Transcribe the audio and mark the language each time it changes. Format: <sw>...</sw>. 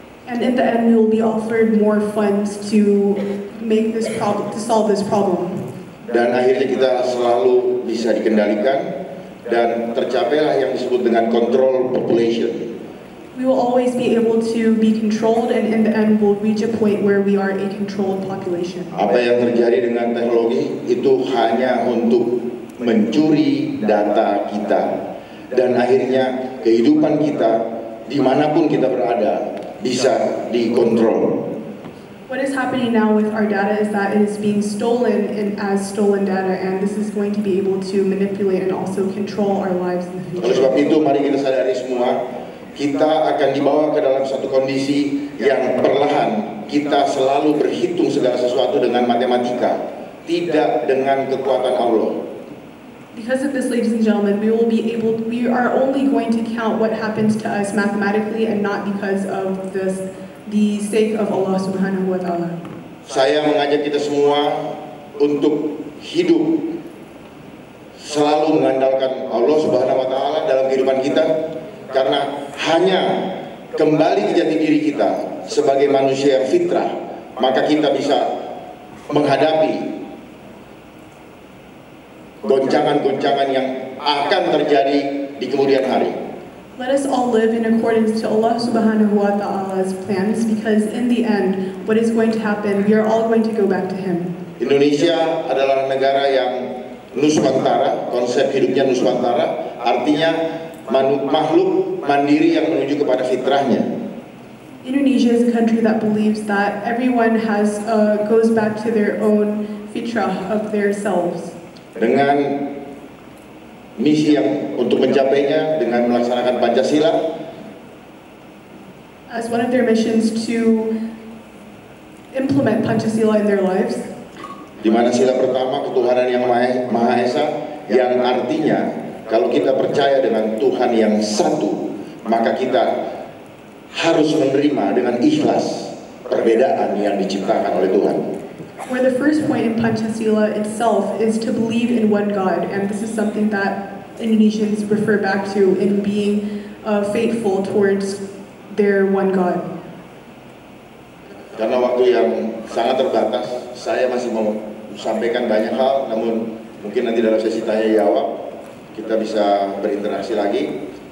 <en>And in the end, we will be offered more funds to make this problem, to solve this problem.</en> <id>Dan akhirnya kita selalu bisa dikendalikan dan tercapailah yang disebut dengan</id> <en>control population. We will always be able to be controlled, and in the end we'll reach a point where we are a controlled population.</en> <id>Apa yang terjadi dengan teknologi itu hanya untuk mencuri data kita, dan akhirnya kehidupan kita dimanapun kita berada bisa dikontrol.</id> <en>What is happening now with our data is that it is being stolen and as stolen data, and this is going to be able to manipulate and also control our lives in the future.</en> <id>Oleh sebab itu mari kita sadari semua, kita akan dibawa ke dalam satu kondisi yang perlahan kita selalu berhitung segala sesuatu dengan matematika, tidak dengan kekuatan Allah.</id> <en>Because of this, ladies and gentlemen, we are only going to count what happens to us mathematically and not because of this, the sake of Allah subhanahu wa ta'ala.</en> <id>Saya mengajak kita semua untuk hidup selalu mengandalkan Allah subhanahu wa ta'ala dalam kehidupan kita, karena hanya kembali ke jati diri kita sebagai manusia yang fitrah, maka kita bisa menghadapi goncangan-goncangan yang akan terjadi di kemudian hari.</id> <en>Let us all live in accordance to Allah subhanahu wa ta'ala's plans, because in the end, what is going to happen, we are all going to go back to Him.</en> <id>Indonesia adalah negara yang Nusantara, konsep hidupnya Nusantara, artinya makhluk mandiri yang menuju kepada fitrahnya.</id> <en>Indonesia is a country that believes that everyone goes back to their own fitrah of their selves.</en> <id>Dengan misi yang untuk mencapainya dengan melaksanakan Pancasila.</id> <en>As one of their missions to implement Pancasila in their lives.</en> <id>Di mana sila pertama ketuhanan yang Maha Esa, yang artinya kalau kita percaya dengan Tuhan yang satu, maka kita harus menerima dengan ikhlas perbedaan yang diciptakan oleh Tuhan.</id> <en>Where the first point in Pancasila itself is to believe in one God, and this is something that Indonesians refer back to in being faithful towards their one God.</en> <id>Karena waktu yang sangat terbatas, saya masih mau sampaikan banyak hal, namun mungkin nanti dalam sesi tanya jawab kita bisa berinteraksi lagi.</id>